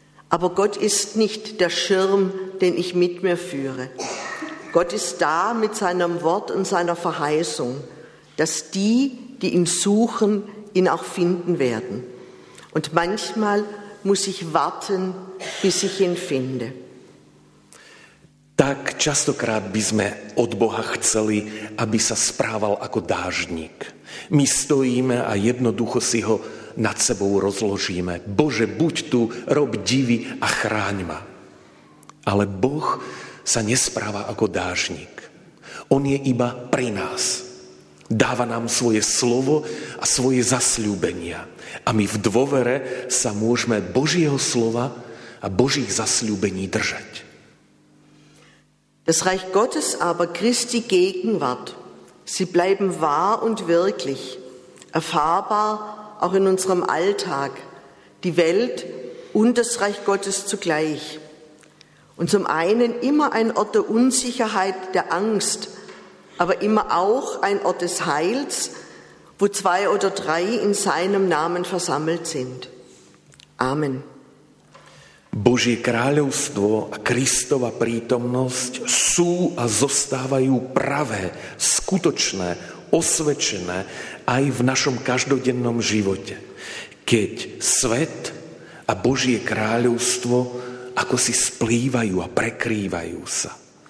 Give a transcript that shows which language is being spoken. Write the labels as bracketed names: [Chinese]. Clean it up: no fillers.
[German] Aber Gott ist nicht der Schirm, den ich mit mir führe. Gott ist da mit seinem Wort und seiner Verheißung, dass die, die ihn suchen, ihn auch finden werden. Und manchmal muss ich warten, bis ich ihn finde. [Slovak] Tak častokrát by sme od Boha chceli, aby sa správal ako dáždník. My stojíme a jednoducho si ho nad sebou rozložíme. Bože, buď tu, rob divy a chráň ma. Ale Boh sa nespráva ako dážnik. On je iba pri nás. Dáva nám svoje slovo a svoje zasľúbenia. A my v dôvere sa môžeme Božieho slova a Božích zasľúbení držať. [German] Das Reich Gottes, aber Christi Gegenwart, sie bleiben wahr und wirklich, erfahrbar auch in unserem Alltag, die Welt und das Reich Gottes zugleich. Und zum einen immer ein Ort der Unsicherheit, der Angst, aber immer auch ein Ort des Heils, wo zwei oder drei in seinem Namen versammelt sind. Amen. [Slovak] Božie kráľovstvo a Kristova prítomnosť sú a zostávajú pravé, skutočné, osvedčené aj v našom každodennom živote, keď svet a Božie kráľovstvo ako si splývajú a prekrývajú sa.